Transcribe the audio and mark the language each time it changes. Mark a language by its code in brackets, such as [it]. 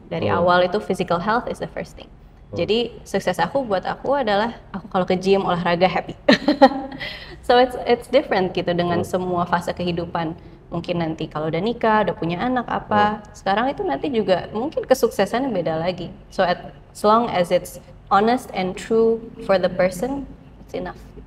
[id] Dari awal itu [en] physical health is the first thing. [id] Jadi sukses aku buat aku adalah aku kalau ke gym olahraga happy. [en] So it's different [id] gitu dengan semua fase kehidupan. Mungkin nanti kalau udah nikah, udah punya anak apa, sekarang itu nanti juga mungkin kesuksesannya beda lagi. [en] So as long as it's honest and true for the person, it's enough.